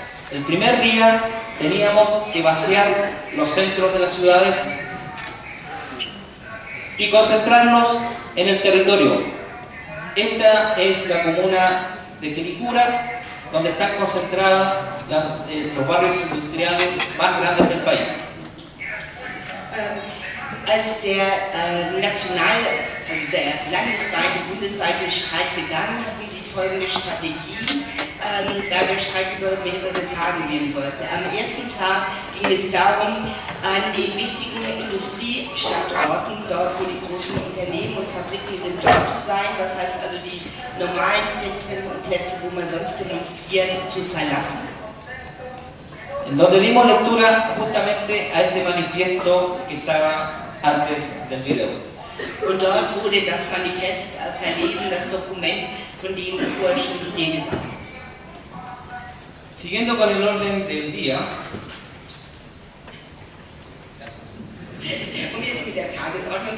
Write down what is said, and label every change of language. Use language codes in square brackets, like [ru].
[es] El primer día teníamos que vaciar los centros de las ciudades y concentrarnos en el territorio. Esta es la comuna de Quilicura, donde están concentradas los barrios industriales más grandes del país. [de] Als der national, also der landesweite, bundesweite Streik begann, hatten sie folgende Strategie, da der Streik über mehrere Tage gehen sollte. Am ersten Tag ging es darum, an den wichtigen Industriestandorten, dort wo die großen Unternehmen und Fabriken sind, dort zu sein, das heißt also die normalen Zentren und Plätze, wo man sonst demonstriert, zu verlassen. [es] En donde dimos lectura justamente a este manifiesto que estaba antes del video. [de] Und dort wurde das Manifest verlesen, das Dokument, von dem vorher schon die Rede war. [es] Siguiendo con el orden del día. [de] Und jetzt mit der Tagesordnung.